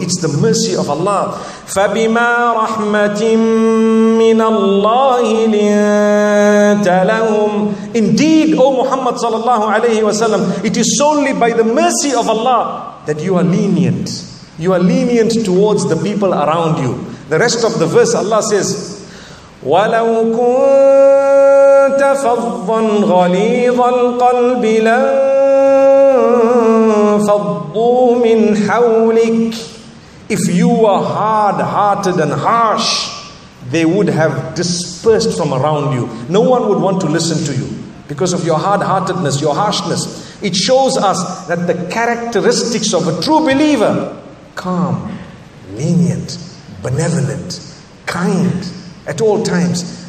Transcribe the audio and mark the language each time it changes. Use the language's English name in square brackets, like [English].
[English] It's the mercy of Allah. [Arabic] فَبِمَا رَحْمَةٍ مِّنَ اللَّهِ لِنْتَ لَهُمْ. [English] Indeed, O Muhammad sallallahu alayhi wa sallam, it is solely by the mercy of Allah that you are lenient. You are lenient towards the people around you. The rest of the verse Allah says, [Arabic] وَلَوْ كُنْتَ فَضًّا غَلِيظَ الْقَلْبِ لَنْفَضُّوا مِنْ حَوْلِكَ. [English] If you were hard-hearted and harsh, they would have dispersed from around you. No one would want to listen to you because of your hard-heartedness, your harshness. It shows us that the characteristics of a true believer: calm, lenient, benevolent, kind at all times.